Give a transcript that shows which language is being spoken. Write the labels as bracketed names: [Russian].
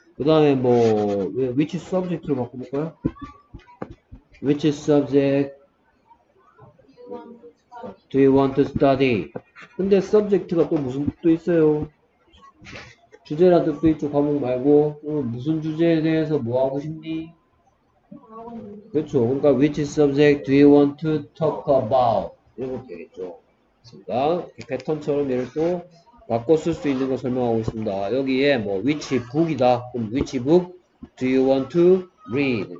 [Korean] 그 다음에 뭐 [English] Which subject로 바꿔볼까요? Which subject do you want to study? [Korean] 근데 subject가 또 무슨 뜻도 있어요? 주제란 뜻도 있죠. 과목 말고 무슨 주제에 대해서 뭐 하고 싶니? 그렇죠. 그러니까 [English] which subject do you want to talk about? [Korean] 이런 거 되겠죠. 맞습니다. 패턴처럼 얘를 또 바꿔 쓸수 있는 거 설명하고 있습니다. 여기에 뭐 which book이다. 그럼 [English] which book do you want to read?